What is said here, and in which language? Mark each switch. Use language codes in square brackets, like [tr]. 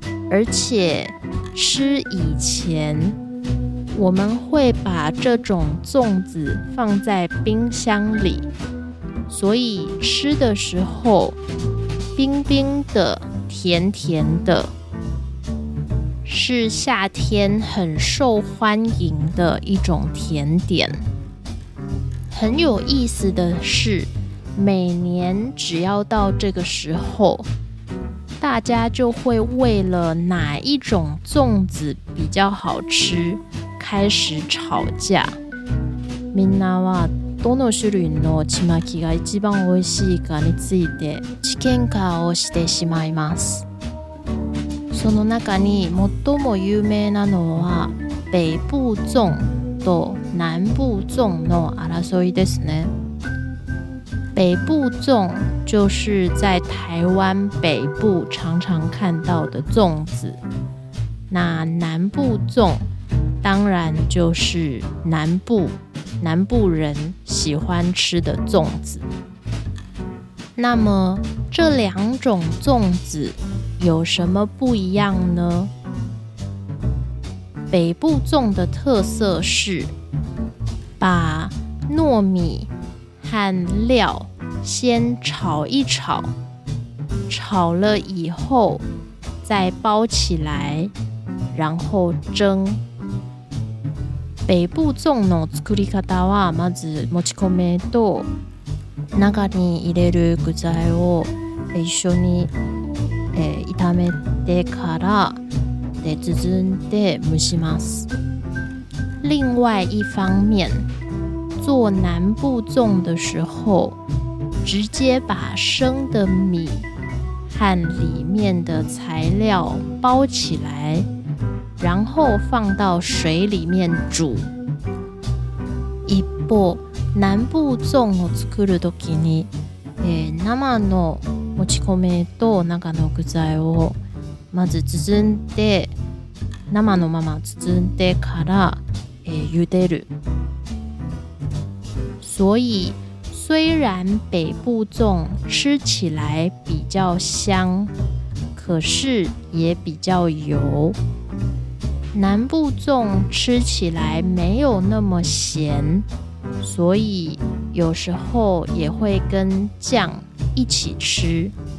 [zh] 而且吃以前，我们会把这种粽子放在冰箱里，所以吃的时候冰冰的、甜甜的，是夏天很受欢迎的一种甜点。很有意思的是，每年只要到这个时候，大家就会为了哪一种粽子比较好吃开始吵架。 [ja] みんなはどの種類のちまきが一番おいしいかについて試験会をしてしまいます。その中に最も有名なのは北部粽と南部粽の争いですね。 [zh] 北部粽就是在台湾北部常常看到的粽子，那南部粽当然就是南部人喜欢吃的粽子。那么这两种粽子有什么不一样呢？北部粽的特色是把糯米和料先炒一炒，炒了以后再包起来，然后蒸。 [ja] 北部粽の作り方は、まずもち米と中に入れる具材を一緒に炒めてから、で包んで蒸します。 [zh] 另外一方面，做南部粽的时候，直接把生的米和里面的材料包起来，然后放到水里面煮。 [ja] 一方、南部粽を作るときに、生のもち米と中の具材をまず包んで、生のまま包んでから、茹でる。 [zh] 所以虽然北部粽吃起来比较香，可是也比较油。南部粽吃起来没有那么咸，所以有时候也会跟酱一起吃。